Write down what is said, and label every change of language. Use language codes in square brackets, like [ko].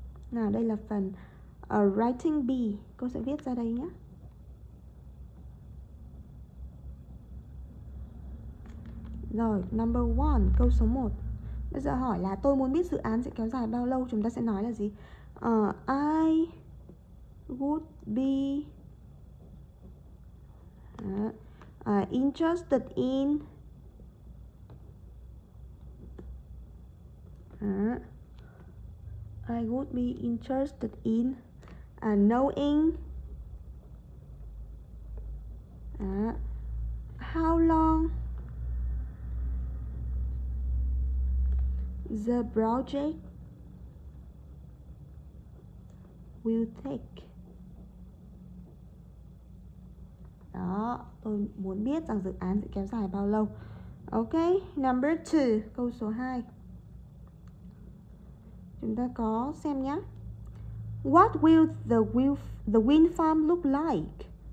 [vi] Nào, đây là phần writing B. Cô sẽ viết ra đây nhé. Rồi, number 1, câu số 1. Bây giờ hỏi là tôi muốn biết dự án sẽ kéo dài bao lâu. Chúng ta sẽ nói là gì? [en] I would be interested in I would be interested in knowing how long the project will take. [vi] Đó, tôi muốn biết rằng dự án sẽ kéo dài bao lâu. [en] Ok, number 2, [vi] câu số 2. Chúng ta có xem nhé. [en] What will the wind farm look like?